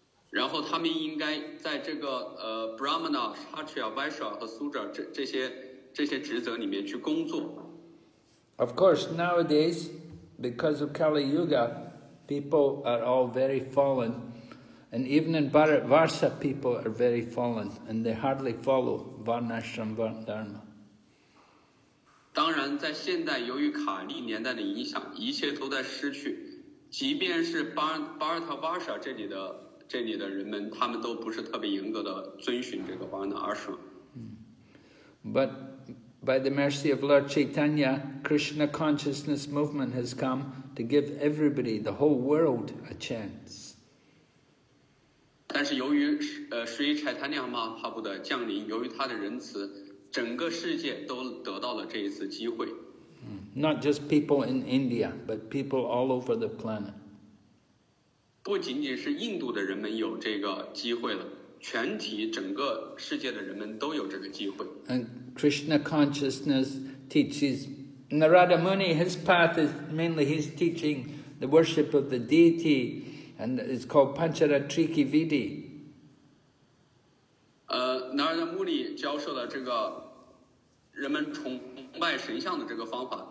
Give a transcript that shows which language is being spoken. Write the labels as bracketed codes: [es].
[zh] 然后他们应该在这个Brahmana, Kshatriya, Vaishya 和 Sudra 这些职责里面去工作。 [en] Of course, nowadays, because of Kali Yuga, people are all very fallen, and even in Bharatvarsha, people are very fallen, and they hardly follow Varnashram Dharma. [zh] 当然，在现代，由于卡利年代的影响，一切都在失去。即便是Bharatvarsha这里的人们，他们都不是特别严格的遵循这个 Varnashram。 [en] But by the mercy of Lord Chaitanya, Krishna consciousness movement has come to give everybody, the whole world, a chance. [zh] 但是由于Sri Chaitanya Mahaprabhu的降临，由于他的仁慈，整个世界都得到了这一次机会。 [en] Not just people in India, but people all over the planet. [zh] 不仅仅是印度的人们有这个机会了。全体整个世界的人们都有这个机会。 [en] And Krishna consciousness teaches Narada Muni. His path is mainly he's teaching the worship of the deity, and it's called Pancharatriki Vidhi. [zh] Narada Muni 教授了这个人们崇拜神像的这个方法。